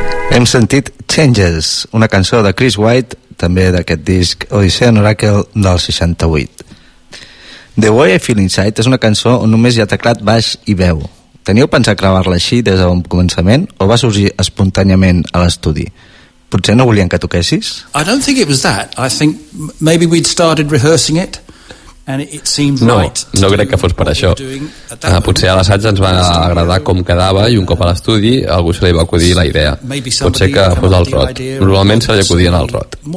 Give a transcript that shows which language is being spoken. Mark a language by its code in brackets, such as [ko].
[ca] Hem sentit Changes, una cançó de Chris White, també d'aquest disc Odissea en Oracle del 68. The Way I Feel Inside és una cançó on només hi ha teclat, baix i veu. Teníeu pensat gravar-la així des del començament o va sorgir espontàniament a l'estudi? Potser no volien que toquessis? [en] I don't think it was that. I think maybe we'd started rehearsing it. [ca] No, no crec que fos per això. Potser a l'assaig ens va agradar com quedava i un cop a l'estudi algú se li va acudir la idea. Potser que fos el Rod. Normalment se li acudien al Rod.